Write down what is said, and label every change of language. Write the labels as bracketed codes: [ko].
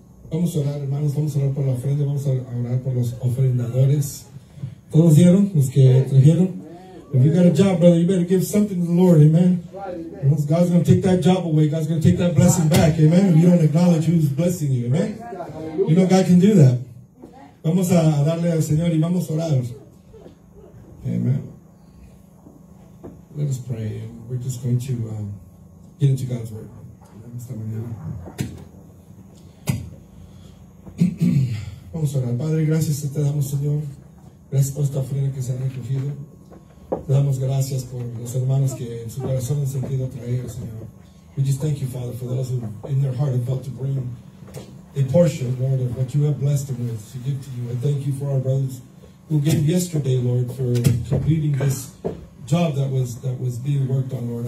[es] Vamos a orar, hermanos, vamos a orar por la ofrenda, vamos a orar por los ofrendadores. ¿Todos dieron? ¿Los que trajeron? [en] If you got a job, brother, you better give something to the Lord, amen. God's going to take that job away. God's going to take that blessing back, amen. If you don't acknowledge who's blessing you, amen. You know God can do that. [es] Vamos a darle al Señor y vamos a orar. [en] Amen. Let us pray. We're just going to get into God's word. [es] Esta mañana. Vamos a orar. Padre, gracias te damos, Señor. Gracias por esta ofrenda que se ha recogido. Damos gracias por los hermanos que en su corazón han sentido traer, Señor. [en] We just thank you, Father, for those who in their heart are about to bring a portion, Lord, of what you have blessed them with to give to you. I thank you for our brothers who gave yesterday, Lord, for completing this job that was being worked on, Lord.